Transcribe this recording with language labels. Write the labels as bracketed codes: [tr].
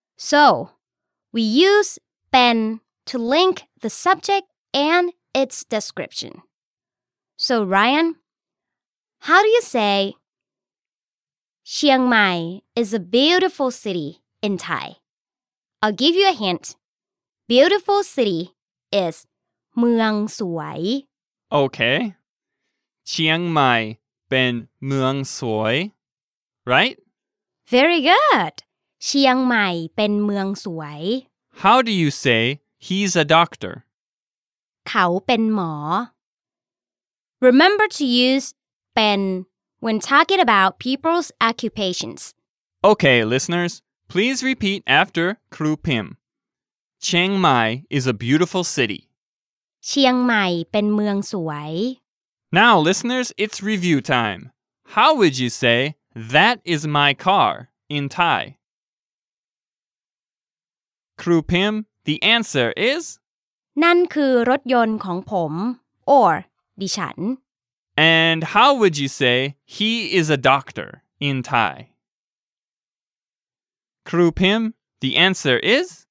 [en] So, we use been to link the subjectand its description. So, Ryan, how do you say Chiang Mai is a beautiful city in Thai? I'll give you a hint. Beautiful city is เมืองสวย Okay. [th] Chiang Mai เป็นเมืองสวย [en] Right? Very good. [th] Chiang Mai เป็นเมืองสวย [en] How do you say he's a doctor? [th] เขาเป็นหมอ [en] Remember to use been when talking about people's occupations. Okay, listeners, please repeat after Kru Pim. Chiang Mai is a beautiful city. [th] เชียงใหม่เป็นเมืองสวย [en] Now, listeners, it's review time. How would you say that is my car in Thai? Kru Pim, the answer is... [th] นั่นคือรถยนต์ของผม [en] or [th] ดิฉัน [en] And how would you say he is a doctor in Thai? ครูพิมพ์ the answer is